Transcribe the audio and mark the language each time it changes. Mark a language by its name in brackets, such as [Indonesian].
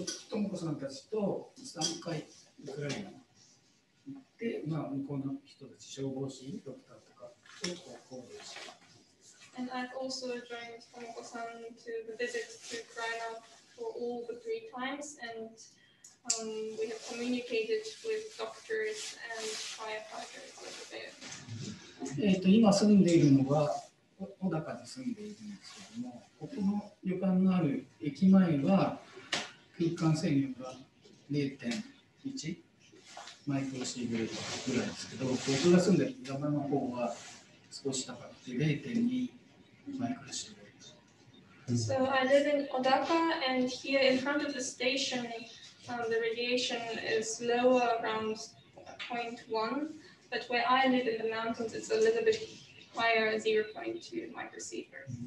[Japanese] トモコさんたちと3回ウクライナに行って、まあ、向こうの人たち、消防士、ドクターとかと交流しました [English] 。And I've also joined トモコさん to the visit to Ukraine for all the three times, and we have communicated with doctors and firefighters over there. [Japanese] 今住んでいるのは小高に住んでいるんですけども、ここの旅館のある駅前は空間制御が 0.1 マイクロシーベルトぐらいですけど、僕が住んでいる山の方は少し高くて 0.2 マイクロシーベルト。 [English] So I live in Odaka and here in front of the station, the radiation is lower around 0.1. But where I live in the mountains, it's a little bit higher, 0.2 microsiever.